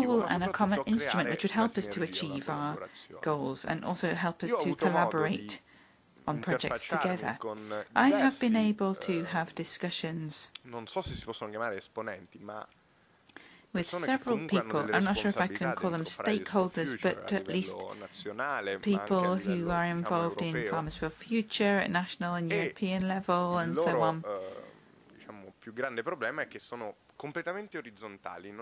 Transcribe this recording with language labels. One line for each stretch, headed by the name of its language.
English: tool and a common instrument which would help us to achieve our goals and also help us to collaborate on projects together.
Italian: Diversi,
English: I have been able to have discussions,
Italian: non so se si possono chiamare esponenti, ma
English: with several people, I'm not sure if I can call them stakeholders, but at least people who are involved in Farmers for Future at national and European level and so on.
Italian: Diciamo, più grande problema è che sono completamente orizzontali, non